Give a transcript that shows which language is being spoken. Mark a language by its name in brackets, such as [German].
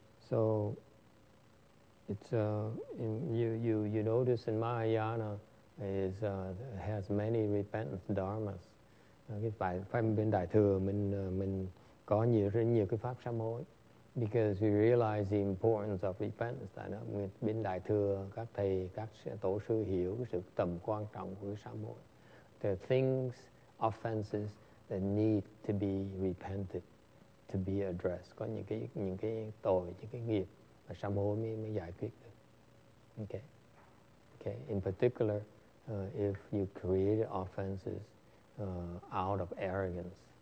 [English] So it's you notice in Mahayana has many repentance dharmas. [Vietnamese] Phải bên đại thừa mình có rất nhiều cái pháp sám hối, [English] because we realize the importance of repentance. [Vietnamese] Bên đại thừa các thầy các tổ sư hiểu sự tầm quan trọng của sám hối. [English] There are things, offenses that need to be repented, to be addressed. [Vietnamese] Có những cái tội, những cái nghiệp mà sám hối mới giải quyết được. Okay. [English] In particular, if you create offenses out of arrogance.